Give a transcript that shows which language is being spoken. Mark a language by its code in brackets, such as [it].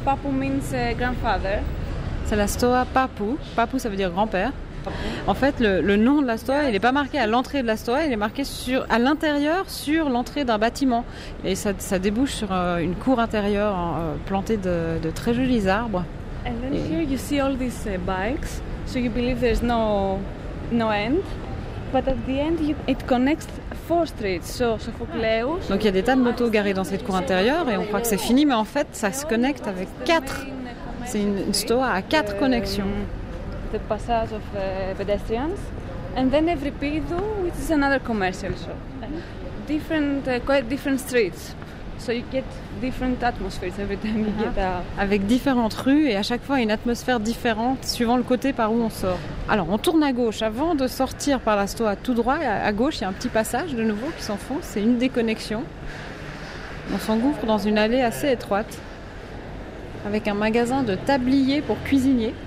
[en] Papu means grandfather. [fr] C'est la Soa Papu. Papu, ça veut dire grand-père. En fait, le nom de la Soa, il n'est pas marqué à l'entrée de la Soa, il est marqué à l'intérieur, sur l'entrée d'un bâtiment. Et ça débouche sur une cour intérieure plantée de très jolis arbres. [en] And then here you see all these bikes, so you believe there's no end. But at the end, it connects four streets. So Sophocleus. [fr] Donc il y a des tas de motos garées dans cette cour intérieure et on croit que c'est fini, mais en fait, ça se connecte avec quatre. C'est une Soa à quatre connexions. [en] The passage of pedestrians, and then Evripidou, which is another commercial shop. Different, quite different streets. So you get different atmospheres every time you get out. [fr] Avec différentes rues et à chaque fois une atmosphère différente suivant le côté par où on sort. Alors on tourne à gauche avant de sortir par la Soa tout droit. À gauche, il y a un petit passage de nouveau qui s'enfonce. C'est une déconnexion. On s'engouffre dans une allée assez étroite avec un magasin de tabliers pour cuisiniers.